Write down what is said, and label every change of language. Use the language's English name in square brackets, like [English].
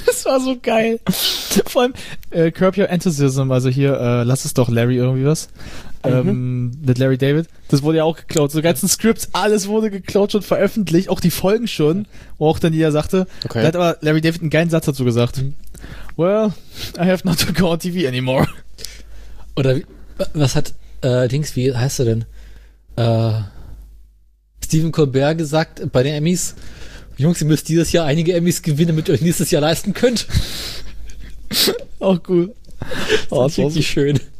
[German] das war so geil. Vor allem, Curb Your Enthusiasm, also hier, lass es doch Larry irgendwie was. Mit Larry David. Das wurde ja auch geklaut. So ganzen Scripts, alles wurde geklaut, schon veröffentlicht. Auch die Folgen schon. Wo auch dann jeder sagte. Okay. Da hat aber Larry David einen geilen Satz dazu gesagt. [English] Well, I have not to go on TV anymore. [German] Oder was hat, Dings, wie heißt er denn? Stephen Colbert gesagt bei den Emmys. Jungs, ihr müsst dieses Jahr einige Emmys gewinnen, damit ihr euch nächstes Jahr leisten könnt. Auch cool. Das ist wirklich schön.